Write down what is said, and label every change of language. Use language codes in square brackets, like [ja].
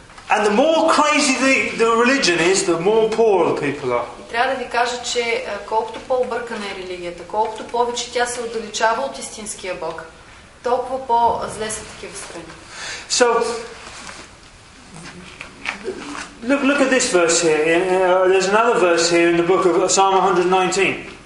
[en] And the more crazy the religion is, the more poor the people are. [bg] И трябва да ви кажа, че колкото по-объркана е религията, колкото повече тя се отдалечава от истинския Бог, толкова по-зле са такива страни. [en] So, look at this verse here. There's another verse here in the book of Psalm 119.